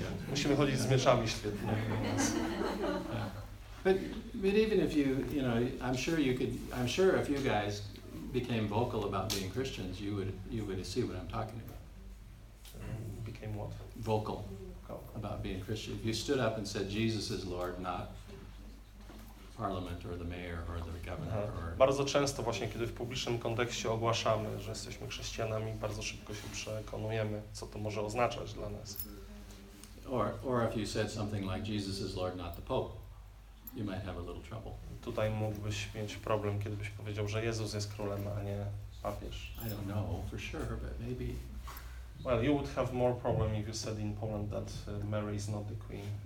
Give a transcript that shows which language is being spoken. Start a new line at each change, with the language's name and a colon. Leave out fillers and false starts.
Polish: Musimy chodzić z mieczami świetnie.
English: But even if you know, I'm sure if you guys became vocal about being Christians, you would see what I'm talking about. Became what? Vocal about being Christian. If you stood up and said Jesus is Lord, not parliament or the mayor or the governor.
Polish: Bardzo często właśnie, kiedy w publicznym kontekście ogłaszamy, że jesteśmy chrześcijanami, bardzo szybko się przekonujemy, co to może oznaczać dla nas.
English: Or if you said something like Jesus is Lord, not the Pope, you might have a little trouble.
Polish: Tutaj mógłbyś mieć problem, kiedybyś powiedział, że Jezus jest królem, a nie papież.
English: I don't know for sure, but maybe. Well, you would have more problem if you said in Poland that Mary is not the queen.